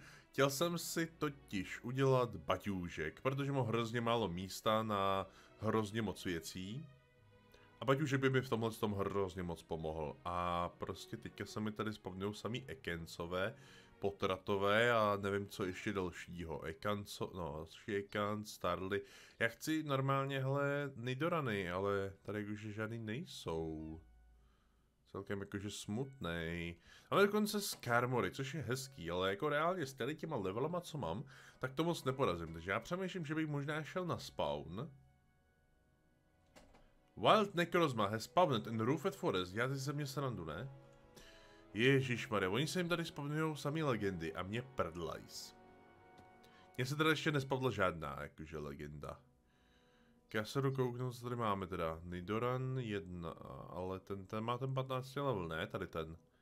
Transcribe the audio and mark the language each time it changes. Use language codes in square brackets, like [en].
[cs] Chtěl jsem si totiž udělat baťůžek, protože mám hrozně málo místa na hrozně moc věcí. A baťůžek by mi v tomhle tom hrozně moc pomohl. A prostě teďka se mi tady spavňují samý ekencové, potratové a nevím co ještě dalšího. Ekanco, no, Shekan, Starly. Já chci normálně, hele, Nidorany, ale tady už žádný nejsou. Celkem jakože smutnej. Ale dokonce Skarmory, což je hezký, ale jako reálně s tady těma levelama, co mám, tak to moc neporazím. Takže já přemýšlím, že bych možná šel na spawn. [en] Wild Necrozma has spawned in Roofed Forest. [cs] Já ze mě srandu, ne? Ježišmarja, oni se jim tady spavnujou samý legendy a mě prdlajs. Mně se teda ještě nespavla žádná, jakože legenda. Já se jdu kouknout, co tady máme teda. Nidoran 1, ale ten má ten 15 level, ne? Tady ten.